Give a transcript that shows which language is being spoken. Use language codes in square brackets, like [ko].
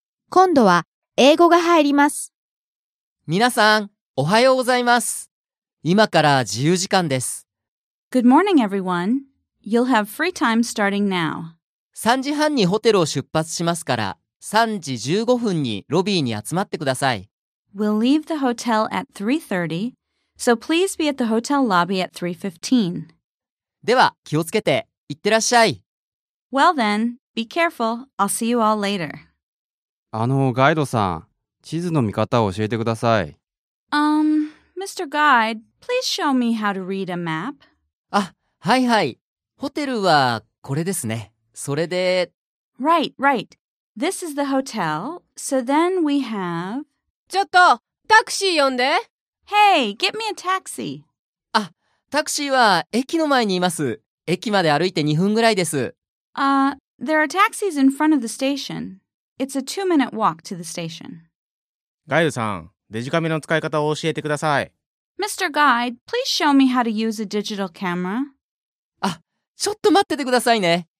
[ja] 今度は英語が入ります。皆さん、おはようございます。今から自由時間です。 [en] Good morning, everyone. You'll have free time starting now. [ja] 3時半にホテルを出発しますから、3時15分にロビーに集まってください。 [en] We'll leave the hotel at 3:30, so please be at the hotel lobby at 3:15. [ja] では、気をつけて、行ってらっしゃい。 [en] Well then, be careful. I'll see you all later. [ja] ガイドさん、地図の見方を教えてください。 [en] Mr. Guide, please show me how to read a map. [ja] あ、はいはい。ホテルはこれですね。それで。 [en] Right, right. This is the hotel, so then we have... [ja] ちょっと、タクシー呼んで。 [en] Hey, get me a taxi. [ja] あ、タクシーは駅の前にいます。駅まで歩いて2分ぐらいです。 [en] There are taxis in front of the station. It's a 2-minute walk to the station. [ja] ガイドさん、デジカメの使い方を教えてください。 [en] Mr. Guide, please show me how to use a digital camera. [ja] あ、ちょっと待っててくださいね。